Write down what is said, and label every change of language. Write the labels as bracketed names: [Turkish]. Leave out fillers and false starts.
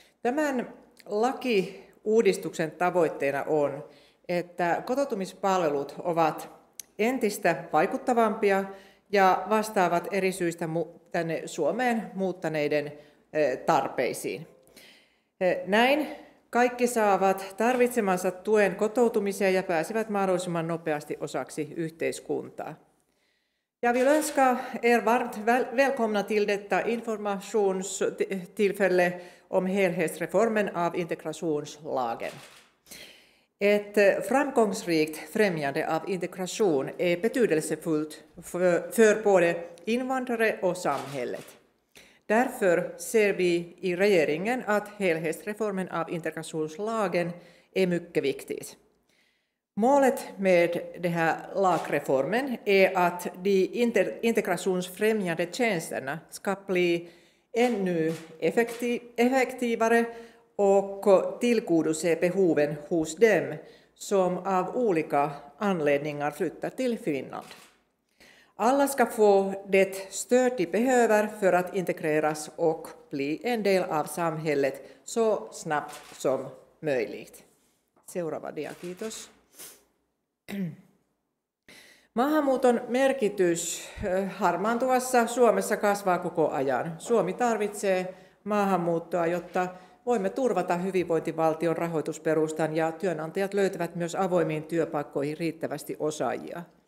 [Finnish] Tämän lakiuudistuksen tavoitteena on, että kotoutumispalvelut ovat entistä vaikuttavampia ja vastaavat eri syistä tänne Suomeen muuttaneiden tarpeisiin. Näin kaikki saavat tarvitsemansa tuen kotoutumiseen ja pääsevät mahdollisimman nopeasti osaksi yhteiskuntaa. [Swedish] Jag vill önska er varmt välkomna till detta informationstillfälle om helhetsreformen av integrationslagen. Ett framgångsrikt främjande av integration är betydelsefullt för både invandrare och samhället. Därför ser vi i regeringen att helhetsreformen av integrationslagen är mycket viktigt. Målet med den här lagreformen är att de integrationsfrämjande tjänsterna ska bli ännu effektivare och tillgodose behoven hos dem som av olika anledningar flyttar till Finland. Alla ska få det stöd de behöver för att integreras och bli en del av samhället så snabbt som möjligt. [Finnish] Seuraava dia, kiitos. Maahanmuuton merkitys harmaantuvassa Suomessa kasvaa koko ajan. Suomi tarvitsee maahanmuuttoa, jotta voimme turvata hyvinvointivaltion rahoitusperustan ja työnantajat löytävät myös avoimiin työpaikkoihin riittävästi osaajia.